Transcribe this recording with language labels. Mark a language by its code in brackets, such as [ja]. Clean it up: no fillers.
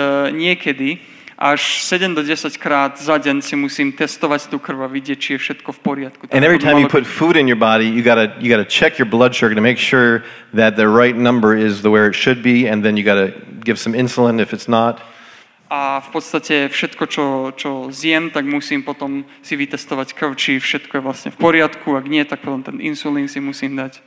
[sk] Niekedy až 7 do 10 krát za deň si musím testovať tú krv a vidieť, či je všetko v poriadku. [en] And every time you put food in your body, you gotta check your blood sugar to make sure that the right number is the where it should be, and then you gotta give some insulin if it's not. [sk] A v podstate všetko, čo zjem, tak musím potom si vytestovať krv, či všetko je vlastne v poriadku, ak nie, tak potom ten insulín si musím dať.